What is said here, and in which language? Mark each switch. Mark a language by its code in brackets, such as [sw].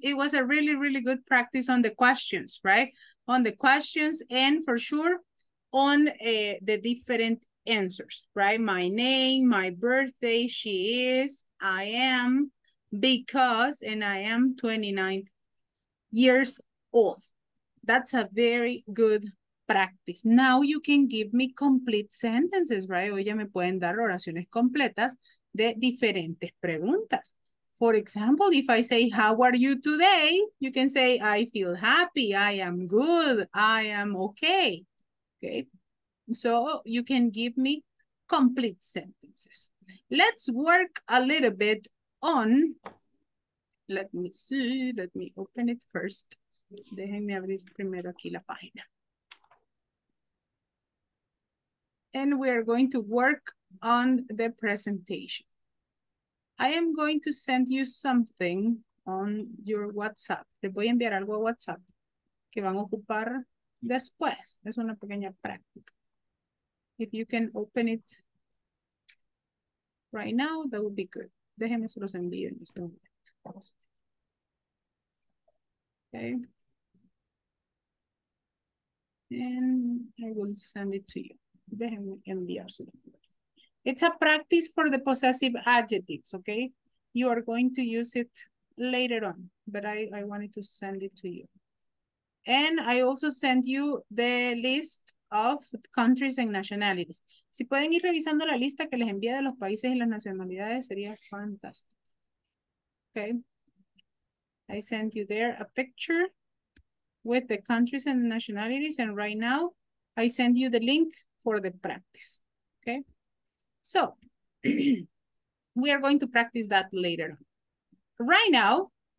[en] It was a really, really good practice on the questions, right? On the questions and for sure on the different answers, right? My name, my birthday, she is, I am, because, and I am 29 years old. That's a very good practice. Now you can give me complete sentences, right? [es] Hoy ya me pueden dar oraciones completas de diferentes preguntas. [en] For example, if I say, how are you today? You can say, I feel happy, I am good, I am okay. Okay, so you can give me complete sentences. Let's work a little bit on, let me open it first. [es] Déjenme abrir primero aquí la página. [en] And we are going to work on the presentation. I am going to send you something on your WhatsApp. [es] Les voy a enviar algo a WhatsApp que van a ocupar después. Es una pequeña práctica. [en] If you can open it right now, that would be good. [es] Déjenme se los envío en este momento. [en] Okay. And I will send it to you. [es] Déjenme enviárselo. [en] It's a practice for the possessive adjectives, okay? You are going to use it later on, but I wanted to send it to you. And I also sent you the list of countries and nationalities. [es] Si pueden ir revisando la lista que les envía de los países y las nacionalidades, sería fantastic. [en] Okay? I sent you there a picture with the countries and nationalities, and right now I send you the link for the practice, okay? So, we are going to practice that later on. Right now,